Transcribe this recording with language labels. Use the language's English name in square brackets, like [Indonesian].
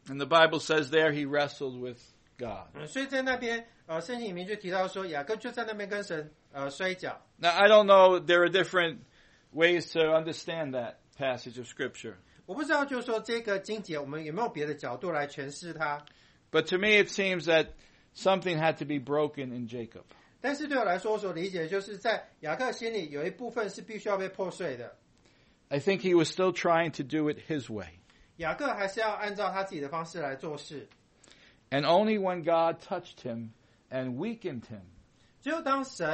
[English] And the Bible says there he wrestled with God. [Chinese] 所以在那边，圣经里面就提到说，雅各就在那边跟神摔跤。 [English] Now I don't know, there are different ways to understand that passage of scripture. [Chinese] 我不知道就是说这个经节我们有没有别的角度来诠释它。 [English] But to me it seems that something had to be broken in Jacob. [Chinese] 但是对我来说，我所理解就是在雅各心里有一部分是必须要被破碎的。 [English] I think he was still trying to do it his way. [Chinese] 雅各还是要按照他自己的方式来做事。 [English] And only when God touched him and weakened him,